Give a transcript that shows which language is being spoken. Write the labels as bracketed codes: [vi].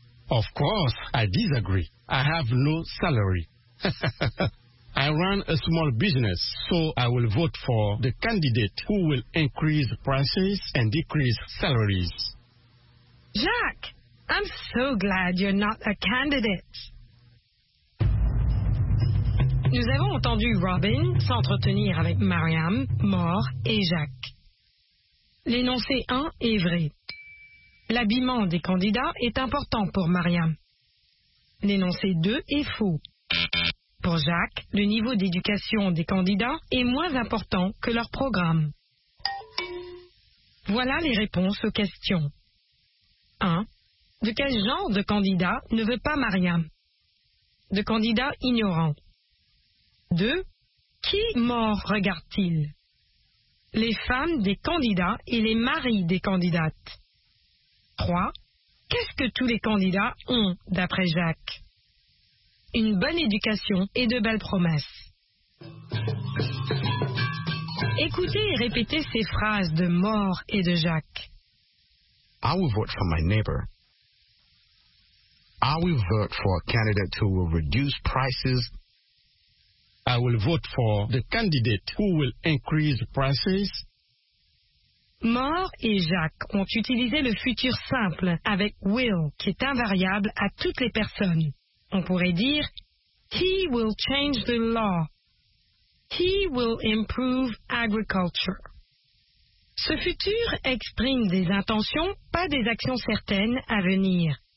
[en] Of course, I disagree. I have no salary. I run a small business, so I will vote for the candidate who will increase prices and decrease salaries. Jacques, I'm so glad you're not a candidate. [fr] Nous avons entendu Robin s'entretenir avec Mariam, Moore et Jacques. L'énoncé 1 est vrai. L'habillement des candidats est important pour Mariam. L'énoncé 2 est faux. Pour Jacques, le niveau d'éducation des candidats est moins important que leur programme. Voilà les réponses aux questions. 1. De quel genre de candidat ne veut pas Mariam? De candidat ignorant. 2. Qui mort regarde-t-il? Les femmes des candidats et les maris des candidates. 3. Qu'est-ce que tous les candidats ont, d'après Jacques? Une bonne éducation et de belles promesses. Écoutez et répétez ces phrases de Moore et de Jacques. [en] I will vote for my neighbor. I will vote for a candidate who will reduce prices. I will vote for the candidate who will increase prices. [fr] Mort et Jacques ont utilisé le futur simple avec will, qui est invariable à toutes les personnes. On pourrait dire, [en] he will change the law. He will improve agriculture. [fr] Ce futur exprime des intentions, pas des actions certaines à venir.